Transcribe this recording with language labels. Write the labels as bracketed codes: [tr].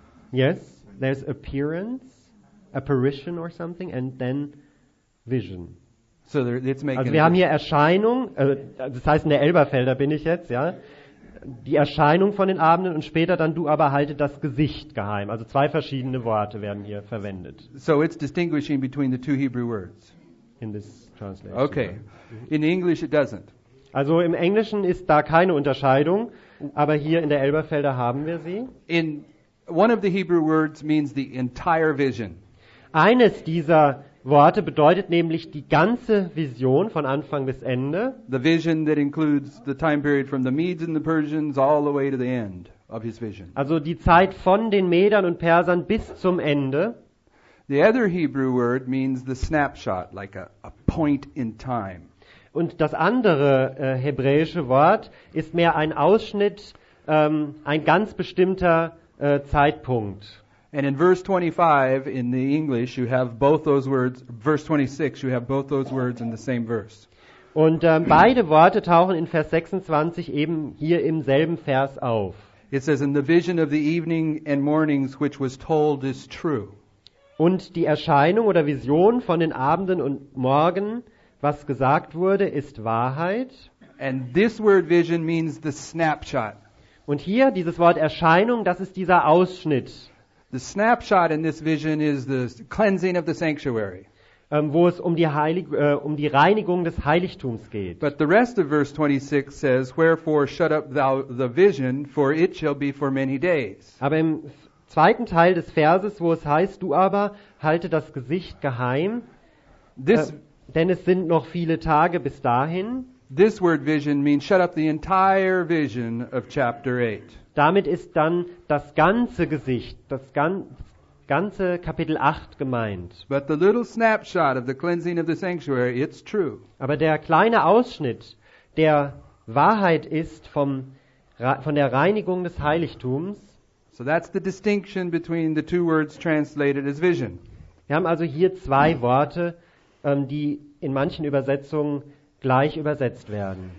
[en] Yes, there's appearance, apparition or something, and then vision. So it's making [de] also wir haben hier Erscheinung, das heißt in der Elberfelder bin ich jetzt, ja. Die Erscheinung von den Abenden und später dann du aber halte das Gesicht geheim. Also zwei verschiedene Worte werden hier verwendet. [en] So it's distinguishing between the two Hebrew words. In this translation. Okay. In English it doesn't. [de] Also im Englischen ist da keine Unterscheidung, aber hier in der Elberfelder haben wir sie. [en] In one of the Hebrew words means the entire vision. [de] Eines dieser Worte bedeutet nämlich die ganze Vision von Anfang bis Ende. [en] The vision that includes the time period from the Medes and the Persians all the way to the end of his vision. [de] Also die Zeit von den Medern und Persern bis zum Ende. [en] The other Hebrew word means the snapshot, like a point in time. [de] Und das andere hebräische Wort ist mehr ein Ausschnitt, ein ganz bestimmter Zeitpunkt. [en] And in verse 25 in the English you have both those words, verse 26 you have both those words in the same verse. [de] Und beide Worte tauchen in Vers 26 eben hier im selben Vers auf. [en] It says in the vision of the evening and mornings which was told is true. [de] Und die Erscheinung oder Vision von den Abenden und Morgen, was gesagt wurde, ist Wahrheit. [en] And this word vision means the snapshot. [de] Und hier dieses Wort Erscheinung, das ist dieser Ausschnitt. [en] The snapshot in this vision is the cleansing of the sanctuary. [de] Wo es um die Reinigung des Heiligtums geht. [en] But the rest of verse 26 says, wherefore shut up thou the vision, for it shall be for many days. [de] Aber im zweiten Teil des Verses, wo es heißt, du aber halte das Gesicht geheim, denn es sind noch viele Tage bis dahin. [en] This word vision means shut up the entire vision of chapter 8. [de] Damit ist dann das ganze Gesicht, das ganze Kapitel 8 gemeint. [en] But the little snapshot of the cleansing of the sanctuary, it's true. [de] Aber der kleine Ausschnitt, der Wahrheit ist von der Reinigung des Heiligtums. [en] So that's the distinction between the two words translated as vision. [de] Wir haben also hier zwei Worte, die in manchen Übersetzungen gleich übersetzt werden.